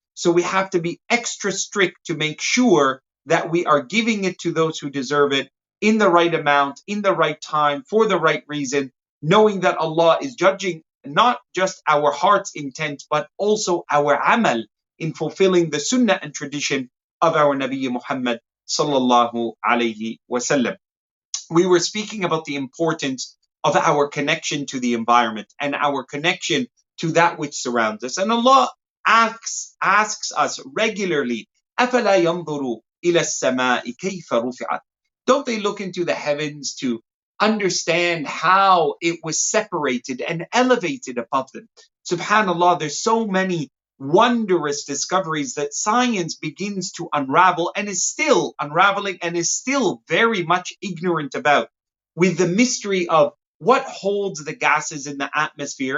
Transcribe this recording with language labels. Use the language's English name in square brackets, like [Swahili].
[English] So we have to be extra strict to make sure that we are giving it to those who deserve it in the right amount, in the right time, for the right reason, knowing that Allah is judging not just our heart's intent, but also our amal in fulfilling the sunnah and tradition of our Nabi Muhammad sallallahu alayhi wasallam. We were speaking about the importance of our connection to the environment and our connection to that which surrounds us. And Allah asks us regularly, [Arabic] أَفَلَا يَنْظُرُوا إِلَى السَّمَاءِ كَيْفَ رُفِعَتْ. [English] Don't they look into the heavens to understand how it was separated and elevated above them? Subhanallah, there's so many wondrous discoveries that science begins to unravel and is still unraveling and is still very much ignorant about, with the mystery of what holds the gases in the atmosphere.